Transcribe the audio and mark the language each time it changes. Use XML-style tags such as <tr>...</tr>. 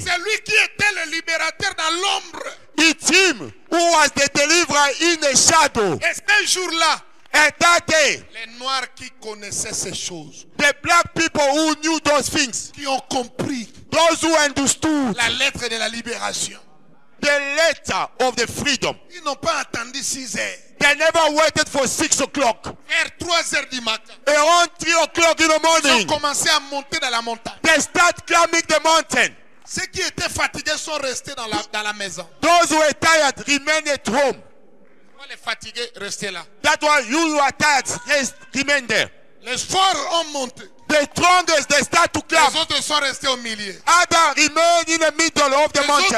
<fr>C'est lui qui était le libérateur dans l'ombre.</fr> <en>It's him who was the deliverer in the shadow.</en> <fr>Et ce jour-là,</fr> <en>and that day,</en> <fr>les noirs qui connaissaient ces choses,</fr> <en>the black people who knew those things,</en> <fr>qui ont compris,</fr> <en>those who understood,</en> <fr>la lettre de la libération,</fr> <en>the letter of the freedom,</en> <fr>ils n'ont pas attendu 6 heures.</fr> <en>They never waited for 6 o'clock.</en> <fr>Vers 3 heures du matin.</fr> <en>Around 3 o'clock in the morning.</en> <fr>Ils ont commencé à monter dans la montagne.</fr> <en>They start climbing the mountain.</en> <fr>Ceux qui étaient fatigués sont restés dans la maison.</fr> <en>Those who were tired remained at home.</en> <fr>Pourquoi les fatigués restaient là?</fr> <en>That's why you who are tired remained there.</en> <fr>Les forts ont monté.</fr> <en>The strongest, they start to climb.</en> <fr>Les autres sont restés au milieu.</fr> <en>Others remained in the middle of the mountain.</en>